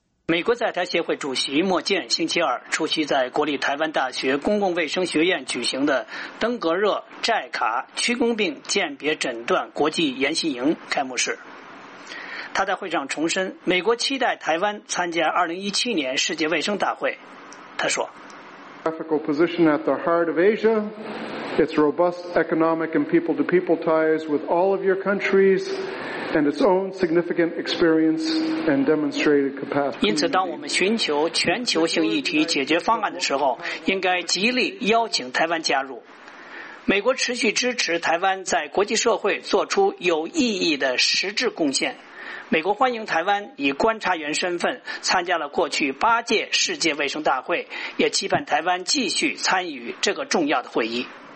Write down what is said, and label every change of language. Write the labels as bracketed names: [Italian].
[Chinese] 美国在台协会主席莫健星期二出席在国立台湾大学公共卫生学院举行的登革热寨卡区公病鉴别诊断国际研习营开幕式。他在会上重申，美国期待台湾参加2017年世界卫生大会。他说 [English] Geographical position at the heart of Asia, its robust economic and people-to-people ties with all of your countries,and its own significant experience and demonstrated capacity. [Chinese] 因此当我们寻求全球性议题解决方案的时候，应该极力邀请台湾加入。美国持续支持台湾在国际社会做出有意义的实质贡献。美国欢迎台湾以观察员身份参加了过去八届世界卫生大会，也期盼台湾继续参与这个重要的会议。